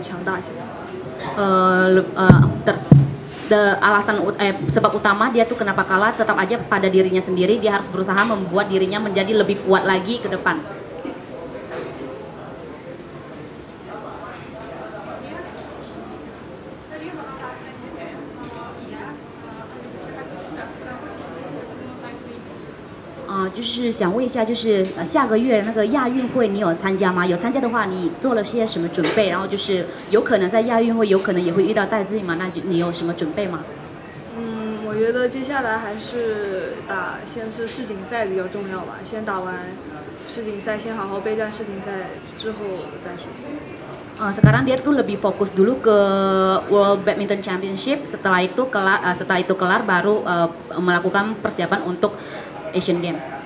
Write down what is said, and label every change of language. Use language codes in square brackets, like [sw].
[zh] 看交手记录的话，之前是8-0嘛，戴资颖8，然后你零，然后就是你觉得最大的原因取决于什么呢？就是到现在就是还没有战胜戴资颖。嗯，我觉得还是自身的不足，还是需要再加强吧。嗯，尽快就是把自己强大起来。 [id] Sebab utama dia tuh kenapa kalah tetap aja pada dirinya sendiri, dia harus berusaha membuat dirinya menjadi lebih kuat lagi ke depan. [zh] Just想问一下，就是下个月那个亚运会你有参加吗？有参加的话，你做了些什么准备？然后就是有可能在亚运会，有可能也会遇到戴资颖吗？那你有什么准备吗？我觉得接下来还是打先是世锦赛比较重要吧，先打完世锦赛，先好好备战世锦赛之后再说。 [id] Sekarang dia tuh lebih fokus dulu ke World Badminton Championship. Setelah itu kelar, baru melakukan persiapan untuk Asian Games.